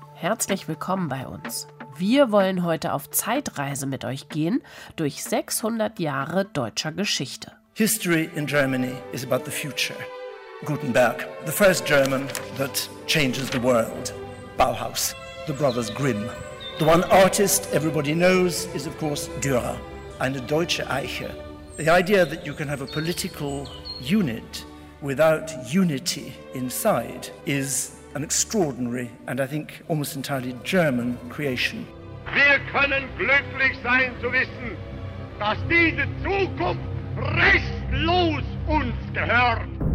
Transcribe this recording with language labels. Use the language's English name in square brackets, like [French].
[German] Herzlich willkommen bei uns. Wir wollen heute auf Zeitreise mit euch gehen, durch 600 Jahre deutscher Geschichte. [English] History in Germany is about the future. Gutenberg, the first German that changes the world. Bauhaus, the brothers Grimm. The one artist everybody knows is of course Dürer, [German] eine deutsche Eiche. [English] The idea that you can have a political unit without unity inside is an extraordinary and I think almost entirely German creation. [German] Wir können glücklich sein zu wissen, dass diese Zukunft restlos uns gehört.